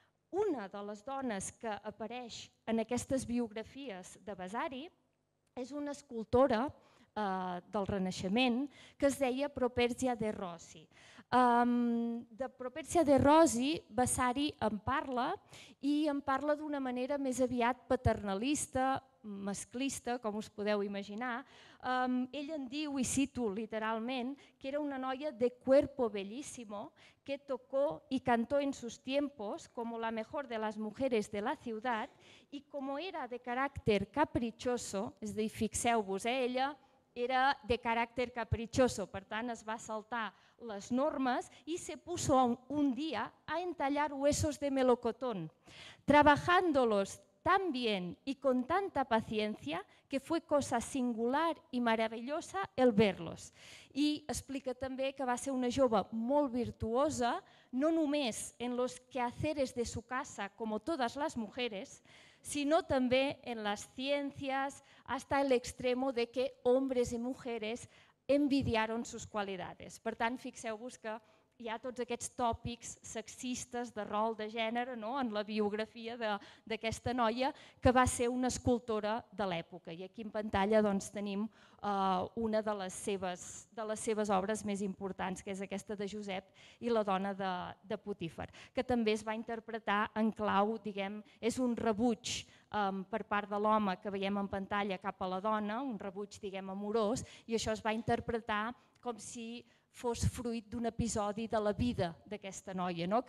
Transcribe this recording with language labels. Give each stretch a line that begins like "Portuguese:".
Catalan: Una de les dones que apareix en aquestes biografies de Vasari és una escultora del Renaixement que es deia Properzia de Rossi. De Properzia de Rossi, Vasari en parla, i en parla d'una manera més aviat paternalista, masclista, com us podeu imaginar. Ell en diu, i cito literalment, que era una noia de
Spanish: cuerpo bellísimo que tocó y cantó en sus tiempos como la mejor de las mujeres de la ciudad, y como era de carácter caprichoso,
Catalan: és a dir, fixeu-vos,
Spanish: ella era de carácter caprichoso,
Catalan: per tant es va saltar les normes i
Spanish: se puso un dia a entallar huesos de melocotón, trabajándolos tan bien y con tanta paciencia que fue cosa singular y maravillosa el verlos.
Catalan: I explica també que va ser una jove molt virtuosa, no només en
Spanish: los quehaceres de su casa, como todas las mujeres, sino també en las ciencias, hasta el extremo de que hombres y mujeres envidiaron sus cualidades.
Catalan: Per tant, fixeu-vos que hi ha tots aquests tòpics sexistes de rol de gènere, no?, en la biografia d'aquesta noia que va ser una escultora de l'època. I aquí en pantalla doncs, tenim una de les seves obres més importants, que és aquesta de Josep i la dona de Potífar, que també es va interpretar en clau, diguem, és un rebuig per part de l'home que veiem en pantalla cap a la dona, un rebuig, diguem, amorós, i això es va interpretar com si fos fruit d'un episodi de la vida d'aquesta noia, no?